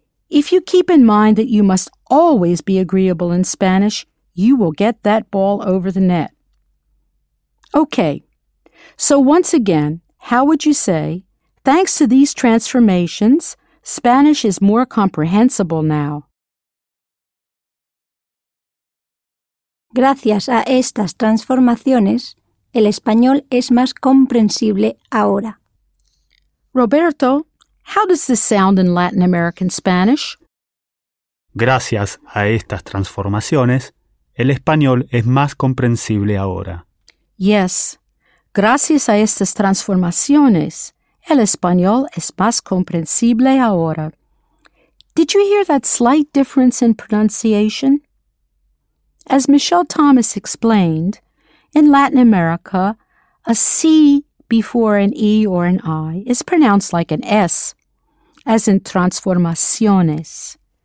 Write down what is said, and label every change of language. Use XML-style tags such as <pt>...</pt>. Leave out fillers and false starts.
<en>If you keep in mind that you must always be agreeable in Spanish, you will get that ball over the net. Okay, so once again, how would you say, thanks to these transformations, Spanish is more comprehensible now?</en> <es>Gracias a estas transformaciones, el español es más comprensible ahora.</es> <en>Roberto, how does this sound in Latin American Spanish?</en> <es>Gracias a estas transformaciones, el español es más comprensible ahora. Yes, gracias a estas transformaciones, el español es más comprensible ahora.</es> <en>Did you hear that slight difference in pronunciation? As Michelle Thomas explained, in Latin America, a C before an E or an I is pronounced like an S, as in transformaciones.</en>